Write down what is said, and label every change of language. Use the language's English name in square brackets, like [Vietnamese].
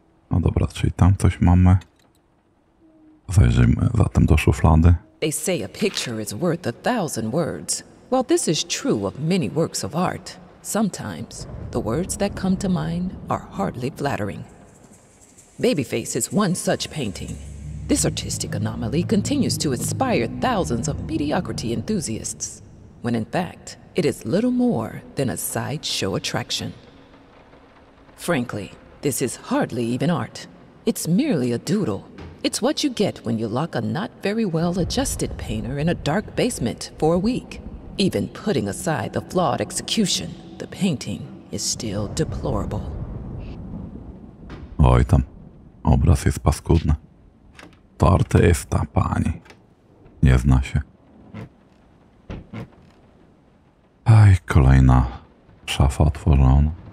[Polish] No dobra, czyli tam coś mamy. Zajrzyjmy zatem do szuflady. [English] They say a picture is worth a thousand words. While this is true of many works of art, sometimes the words that come to mind are hardly flattering. Babyface is one such painting. This artistic anomaly continues to inspire thousands of mediocrity enthusiasts, when in fact, it is little more than a sideshow attraction. Frankly, this is hardly even art. It's merely a doodle. It's what you get when you lock a not very well adjusted painter in a dark basement for a week. Even putting aside the flawed execution, the painting is still deplorable. [Polish] Oj tam, obraz jest paskudny. To artysta, pani. Nie zna się. Aj, kolejna szafa otworzona.